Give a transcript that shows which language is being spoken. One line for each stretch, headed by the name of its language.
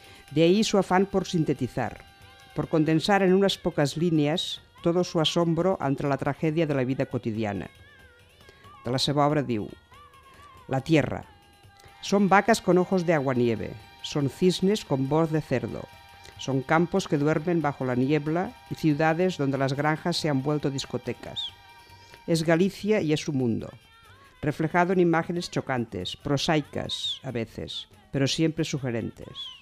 Spanish: De ahí su afán por sintetizar, por condensar en unas pocas líneas todo su asombro ante la tragedia de la vida cotidiana.
Catalan: De la seva obra diu: La tierra.
Spanish: Son vacas con ojos de agua nieve. Son cisnes con voz de cerdo. Son campos que duermen bajo la niebla y ciudades donde las granjas se han vuelto discotecas. Es Galicia y es su mundo. Reflejado en imágenes chocantes, prosaicas a veces, pero siempre sugerentes.